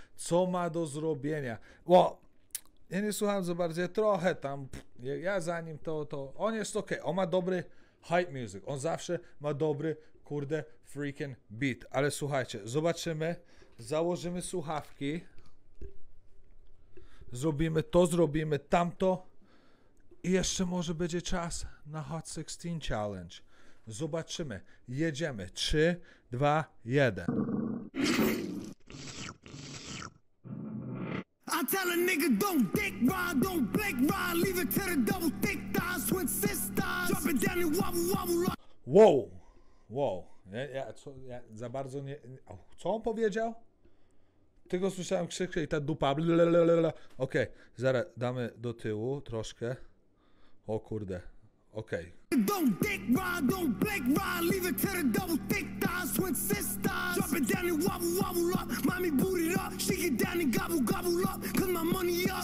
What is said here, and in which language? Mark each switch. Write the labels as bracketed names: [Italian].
[Polish] Co ma do zrobienia. Wow. Ja nie słucham za bardzo, trochę tam, ja za nim to, on jest okej, on ma dobry hype music, on zawsze ma dobry, freaking beat, ale słuchajcie, zobaczymy, założymy słuchawki, zrobimy to, zrobimy tamto i jeszcze może będzie czas na Hot 16 Challenge, zobaczymy, jedziemy, 3, 2, 1. [English] I tell a nigga don't dick ride, don't blink ride, leave it to the double thick thighs, twin sisters, drop it down and wobble wobble. [Polish] Wow, wow, ja za bardzo nie, co on powiedział? Tylko słyszałem krzyki i ta dupa, blalalala. Okej, okay, zaraz damy do tyłu troszkę, o kurde, okej. [English] Okay. Don't dick ride, don't blink ride, leave it to the double thick thighs, twin sisters, drop it down and wobble wobble up, mommy booty. Shake it down and gobble gobble up, cause my money up.